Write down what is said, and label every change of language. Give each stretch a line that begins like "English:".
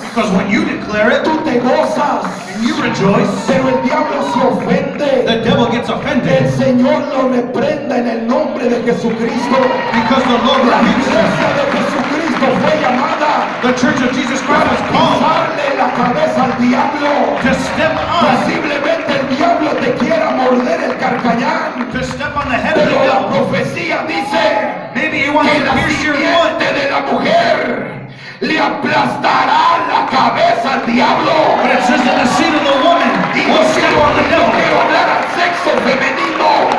English: because when you declare it,
Spanish: tú te gozas.
English: You rejoice.
Spanish: Pero el diablo se ofende.
English: The devil gets offended.
Spanish: El Señor lo reprenda en el nombre de Jesucristo.
English: Because the Lord
Spanish: la iglesia de Jesucristo fue llamada.
English: The Church of Jesus Christ was called.
Spanish: Darle la cabeza al diablo.
English: To step on.
Spanish: Posiblemente el diablo te quiera morder el carcañán.
English: To step on the head of the devil.
Spanish: Pero la profecía dice.
English: Maybe he wants to pierce your foot.
Spanish: Que la simiente de la mujer. Le aplastará la cabeza al diablo.
English: But it says that the seed of the woman will step on the devil.
Spanish: Quiero hablar al sexo femenino.